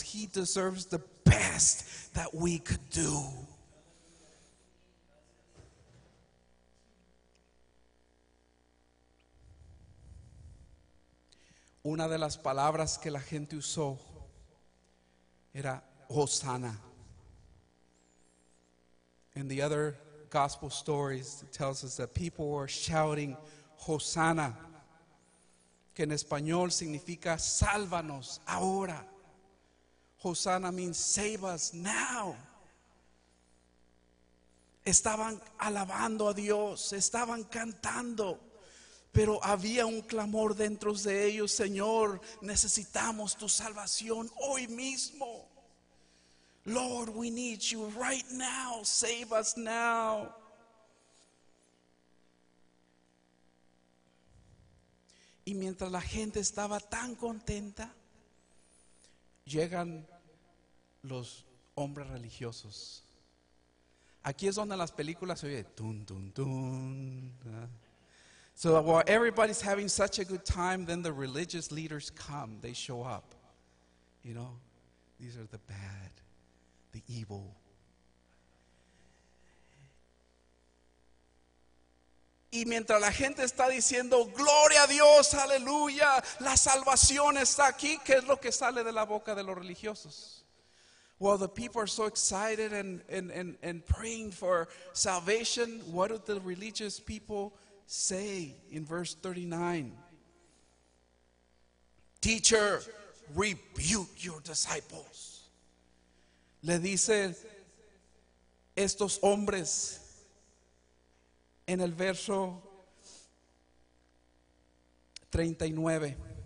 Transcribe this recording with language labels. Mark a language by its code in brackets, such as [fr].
[en] He deserves the best that we could do. [es] Una de las palabras que la gente usó era Hosanna. [en] In the other gospel stories, it tells us that people were shouting Hosanna, [es] que en español significa sálvanos ahora. [en] Hosanna means save us now. [es] Estaban alabando a Dios, estaban cantando. Pero había un clamor dentro de ellos, Señor, necesitamos tu salvación hoy mismo. [en] Lord, we need you right now, save us now. [es] Y mientras la gente estaba tan contenta, llegan los hombres religiosos. Aquí es donde las películas se oye, tun, tun, tun. [en] So while everybody's having such a good time, then the religious leaders come, they show up. You know, these are the bad, the evil. [es] Y mientras la gente está diciendo, Gloria a Dios, aleluya, la salvación está aquí, ¿qué es lo que sale de la boca de los religiosos? [en] While the people are so excited and praying for salvation, what do the religious people say in verse 39, Teacher, rebuke your disciples. [es] Le dice estos hombres en el verso 39,